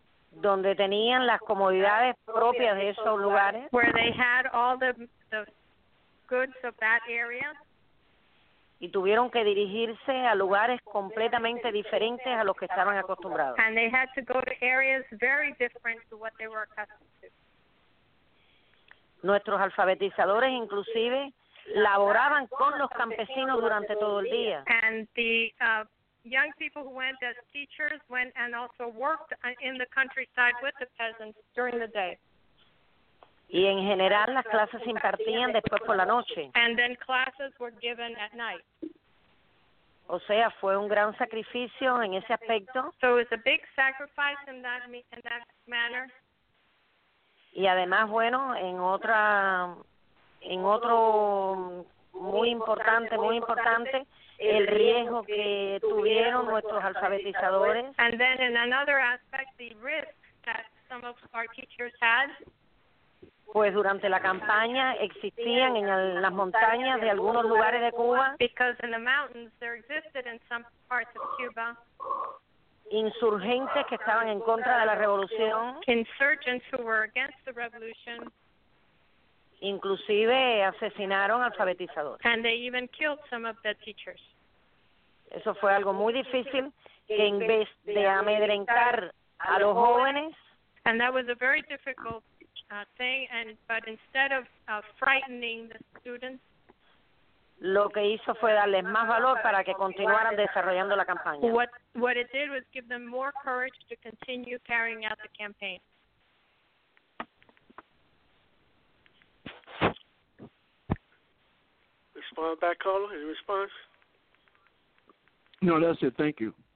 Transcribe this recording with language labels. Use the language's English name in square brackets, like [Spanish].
[Spanish] Donde tenían las comodidades propias de esos lugares. [English] Where they had all the goods of that area. [Spanish] Y tuvieron que dirigirse a lugares completamente diferentes a los que estaban acostumbrados. [English] And they had to go to areas very different to what they were accustomed to. [Spanish] Nuestros alfabetizadores, inclusive, laboraban con los campesinos durante todo el día. [English] And the young people who went as teachers went and also worked in the countryside with the peasants during the day. [Spanish] Y en general las clases se impartían después por la noche. [English] And then classes were given at night. [Spanish] O sea, fue un gran sacrificio en ese aspecto. [English] So it was a big sacrifice in that manner. [Spanish] Y además, bueno, en otro muy importante, el riesgo que tuvieron nuestros alfabetizadores. [English] And then in another aspect, the risk that some of our teachers had. [Spanish] Pues durante la campaña existían en las montañas de algunos lugares de Cuba. [English] Because in the mountains there existed in some parts of Cuba. [Spanish] Insurgentes que estaban en contra de la revolución. [English] Insurgents who were against the revolution. [Spanish] Inclusive asesinaron alfabetizadores. [English] And they even killed some of the teachers. [Spanish] Eso fue algo muy difícil, que en vez de amedrentar a los jóvenes. [English] And that was a very difficult thing, and but instead of frightening the students, [Spanish] lo que hizo fue darles más valor para que continuaran desarrollando la campaña. [English] What it did was give them more courage to continue carrying out the campaign. Respond back, caller. Any response? No, that's it. Thank you.